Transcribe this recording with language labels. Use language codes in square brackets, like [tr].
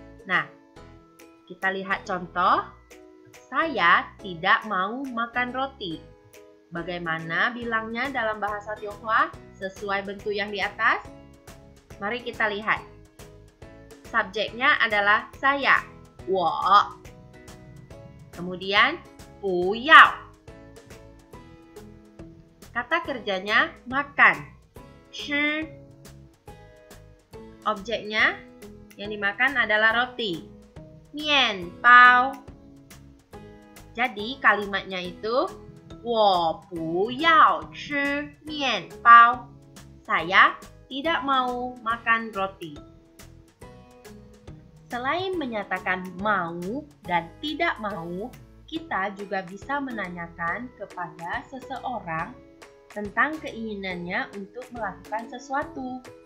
[id] Nah, kita lihat contoh. Saya tidak mau makan roti. Bagaimana bilangnya dalam bahasa Tionghoa sesuai bentuk yang di atas? Mari kita lihat. Subjeknya adalah saya, 我. Kemudian, 不要. Kata kerjanya makan, 吃. Objeknya yang dimakan adalah roti, 面包. Jadi kalimatnya itu [zh] 我不要吃面包. [id] Saya tidak mau makan roti. Selain menyatakan mau dan tidak mau, kita juga bisa menanyakan kepada seseorang tentang keinginannya untuk melakukan sesuatu.